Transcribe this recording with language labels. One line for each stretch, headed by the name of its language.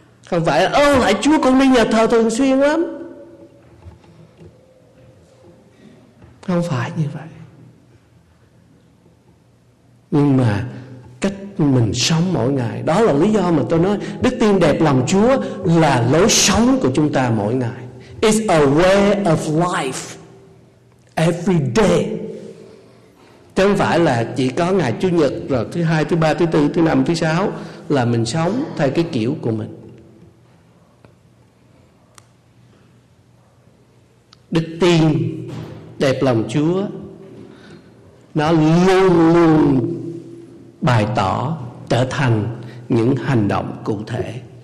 Vietnamese: Không phải ơ lại Chúa con đi nhà thờ thường xuyên lắm. Không phải như vậy. Nhưng mà cách mình sống mỗi ngày, đó là lý do mà tôi nói đức tin đẹp lòng Chúa là lối sống của chúng ta mỗi ngày.
English: It's a way of life every day.
Vietnamese: Chứ không phải là chỉ có ngày Chủ nhật rồi thứ hai, thứ ba, thứ tư, thứ năm, thứ sáu là mình sống theo cái kiểu của mình. Đức tin đẹp lòng Chúa nó luôn luôn bày tỏ trở thành những hành động cụ thể.